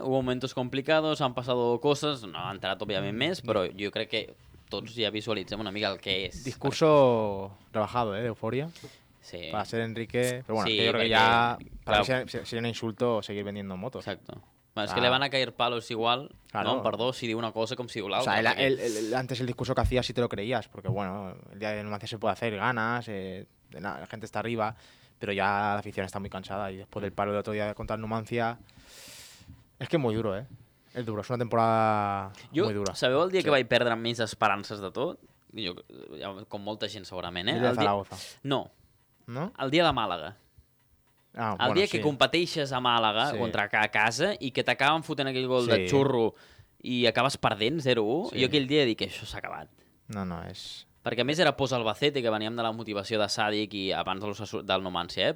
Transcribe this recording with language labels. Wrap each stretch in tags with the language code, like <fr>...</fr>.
<es>Hubo momentos complicados, han pasado cosas,</es> <ca>no ha entrat, òbviament, més, però jo crec que tots ja visualitzem una mica el que és.</ca> <es>Discurso rebajado, eh? D'eufòria. Sí.</es> <ca>Va ser Enrique... Però bueno, sí, jo crec que ja...</ca> <es>Claro. Para mí sería un insulto seguir vendiendo motos. Exacto. Bueno, es que le van a caer palos igual, claro. ¿No? Perdón, si digo una cosa como si digo la otra. O sea, el, antes el discurso que hacías sí te lo creías, porque bueno, el día de Numancia se puede hacer, ganas, la gente está arriba, pero ya la afición está muy cansada y después del palo del otro día contra Numancia... Es que es muy duro, ¿eh? Es duro, es una temporada muy dura.</es> <ca>¿Sabeu el día que vaig perdre més esperances de tot?</ca> <es>Yo, con</es> <ca>molta gent segurament, ¿eh?</ca> <es>El día de Zaragoza. No. No?</es> <ca>El dia de Màlaga. Ah, el bueno, dia sí. Que competeixes a Màlaga sí. Contra casa i que t'acaben fotent aquell gol sí. De xurro i acabes perdent 0-1, sí. Jo aquell dia dic que això s'ha acabat. No, no, és... Perquè a més era post-Albacete, que veníem de la motivació de Sàdic i abans del Numancia, eh?</ca>